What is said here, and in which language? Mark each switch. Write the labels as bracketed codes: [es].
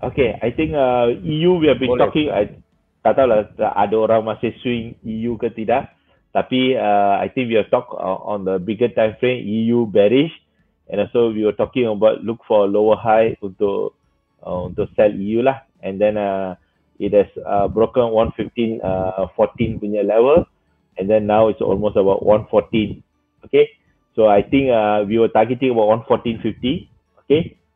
[en] Okay, I think EU we have been boleh. Talking. [ms] Tak tahulah ada orang masih swing EU ke tidak. [en] Tapi I think we have talked on the bigger time frame, EU bearish. And also we were talking about look for lower high [ms] untuk untuk [en] sell EU lah. And then it has broken 115.14 punya level. And then now it's almost about 114. Okay. So I think we were targeting about 114.50. Okay.